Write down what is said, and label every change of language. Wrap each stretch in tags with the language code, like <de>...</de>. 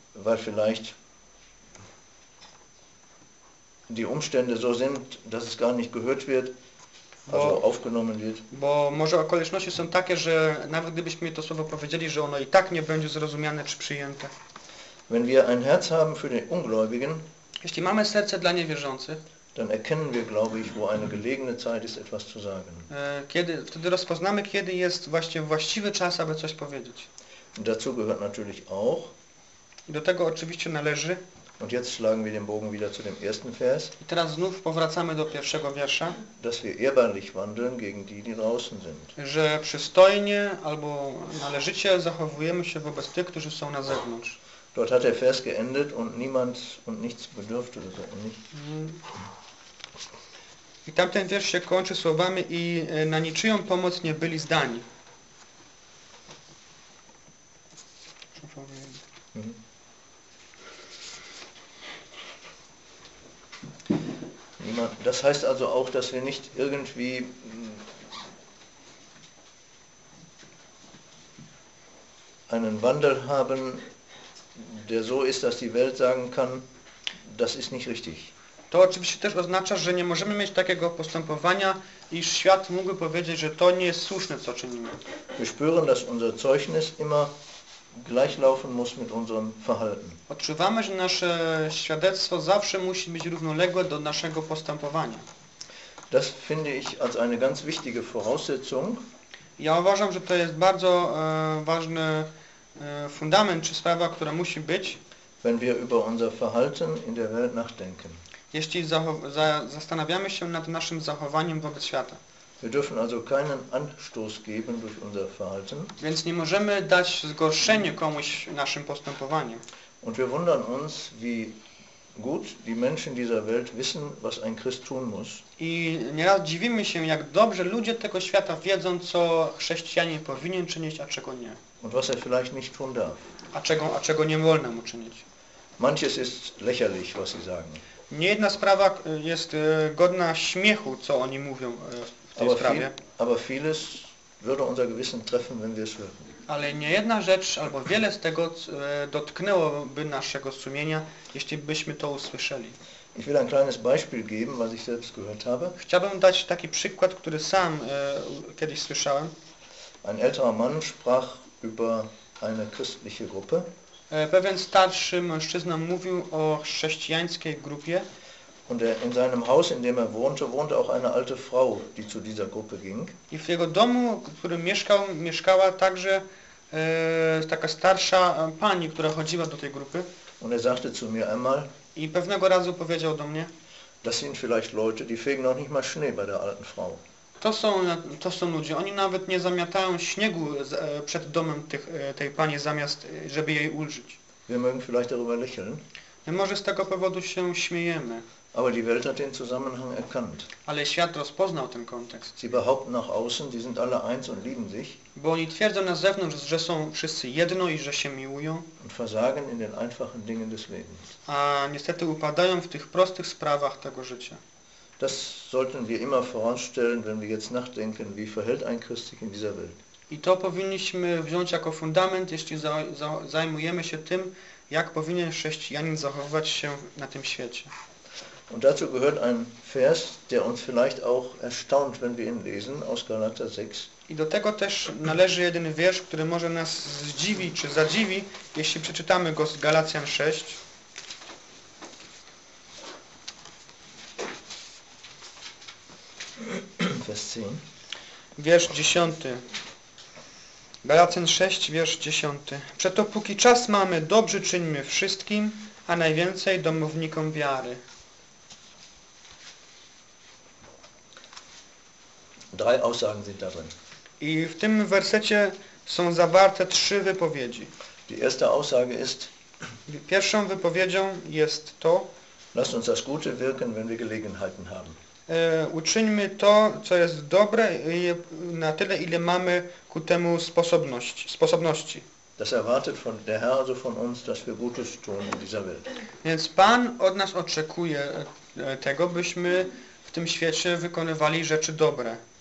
<de>Weil vielleicht die Umstände so sind, dass es gar nicht gehört wird, also aufgenommen wird.</de> <pl>Bo może okoliczności są takie, że nawet gdybyśmy to słowo powiedzieli, że ono i tak nie będzie zrozumiane czy przyjęte.</pl> <de>Wenn wir ein Herz haben für den Ungläubigen,</de> <pl>jeśli mamy serce dla niewierzących,</pl> <de>dann erkennen wir, glaube ich, wo eine gelegene Zeit ist, etwas zu sagen.</de> <pl>Wtedy rozpoznamy, kiedy jest właściwy czas, aby coś powiedzieć.</pl> <de>Und dazu gehört natürlich auch,</de> <pl>i do tego oczywiście należy,</pl> <de>und jetzt schlagen wir den Bogen wieder zu dem ersten Vers,</de> <pl>i teraz znów powracamy do pierwszego wiersza,</pl> <de>dass wir ehrbarlich wandeln gegen die, die draußen sind.</de> <pl>Że przystojnie albo należycie zachowujemy się wobec tych, którzy są na zewnątrz.</pl> <de>Dort hat der Vers geendet und niemand und nichts bedürfte so.</de> <pl>I tamten wiersz się kończy słowami i na niczyją pomoc nie byli zdani.</pl> <de>Niemand, das heißt also auch, dass wir nicht irgendwie einen Wandel haben, der so ist, dass die Welt sagen kann, das ist nicht richtig.</de> <pl>To oczywiście też oznacza, że nie możemy mieć takiego postępowania, iż świat mógłby powiedzieć, że to nie jest słuszne, co czynimy.</pl> <de>Wir spüren, dass unser Zeugnis immer gleichlaufen muss mit unserem Verhalten.</de> <pl>Odczuwamy, że nasze świadectwo zawsze musi być równoległe do naszego postępowania.</pl> <de>Das finde ich als eine ganz wichtige Voraussetzung.</de> <pl>Ja uważam, że to jest bardzo ważne fundament czy sprawa, która musi być,</pl> <de>wenn wir über unser Verhalten in der Welt nachdenken.</de> <pl>Jeśli zastanawiamy się nad naszym zachowaniem wobec świata.</pl> <de>Wir dürfen also keinen Anstoß geben durch unser Verhalten.</de> <pl>Więc nie możemy dać zgorszenie komuś naszym postępowaniem.</pl> <de>Und wir wundern uns, wie gut die Menschen dieser Welt wissen, was ein Christ tun muss.</de> <pl>I nieraz dziwimy się, jak dobrze ludzie tego świata wiedzą, co chrześcijanin powinien czynić, a czego nie.</pl> <de>Und was er vielleicht nicht tun darf.</de> <pl>A czego nie wolno mu czynić.</pl> <de>Manches ist lächerlich, was sie sagen.</de> <pl>Nie jedna sprawa jest godna śmiechu, co oni mówią w tej sprawie.</pl> <de>Aber vieles würde unser Gewissen treffen, wenn wir es hören.</de> <pl>Ale nie jedna rzecz, albo wiele z tego dotknęłoby naszego sumienia, jeśli byśmy to usłyszeli.</pl> <de>Ich will ein kleines Beispiel geben, was ich selbst gehört habe.</de> <pl>Chciałbym dać taki przykład, który sam kiedyś słyszałem.</pl> <de>Ein älterer Mann sprach über eine christliche Gruppe.</de> <pl>Pewien starszy mężczyzna mówił o chrześcijańskiej grupie.</pl> <de>Und in seinem Haus, in dem wohnte, wohnte auch eine alte Frau, die zu dieser Gruppe ging.</de> <pl>I w jego domu, w którym mieszkał, mieszkała także taka starsza pani, która chodziła do tej grupy.</pl> <de>Und sagte zu mir einmal.</de> <pl>I pewnego razu powiedział do mnie.</pl> <de>Das sind vielleicht Leute, die fegen noch nicht mal Schnee bei der alten Frau.</de> <pl>To są ludzie. Oni nawet nie zamiatają śniegu przed domem tej pani, zamiast, żeby jej ulżyć.</pl> <de>Wir mögen vielleicht darüber lächeln.</de> <pl>My może z tego powodu się śmiejemy.</pl> <de>Aber die Welt hat den Zusammenhang erkannt.</de> <pl>Ale świat rozpoznał ten kontekst.</pl> <de>Sie behaupten nach außen, die sind alle eins und lieben sich.</de> <pl>Bo oni twierdzą na zewnątrz, że są wszyscy jedno i że się miłują.</pl> <de>Und versagen in den einfachen Dingen des Lebens.</de> <pl>A niestety upadają w tych prostych sprawach tego życia.</pl> <de>Das sollten wir immer voranstellen, wenn wir jetzt nachdenken, wie verhält ein Christ sich in dieser Welt.</de> <pl>I to powinniśmy wziąć jako fundament, jeśli zajmujemy się tym, jak powinien chrześcijanin zachowywać się na tym świecie.</pl> <de>Und dazu gehört ein Vers, der uns vielleicht auch erstaunt, wenn wir ihn lesen, aus Galater 6.</de> <pl>I do tego też należy jeden wiersz, który może nas zdziwić czy zadziwi, jeśli przeczytamy go z Galacjan 6.</pl> <de>Vers 10.</de> <pl>Wiersz 10. Galacjan 6, wiersz 10. Przeto póki czas mamy, dobrze czyńmy wszystkim, a najwięcej domownikom wiary.</pl> <de>Drei Aussagen sind darin.</de> <pl>I w tym wersecie są zawarte trzy wypowiedzi.</pl> <de>Die erste Aussage ist,</de> <pl>pierwszą wypowiedzią jest to,</pl> <de>lasst uns das Gute wirken, wenn wir Gelegenheiten haben.</de> <pl>Uczyńmy to, co jest dobre, na tyle, ile mamy ku temu sposobności.</pl> <de>Das erwartet von der Herr, also von uns, dass wir Gutes tun in dieser Welt.</de> <pl>Więc Pan od nas oczekuje tego, byśmy w tym świecie wykonywali rzeczy dobre.</pl>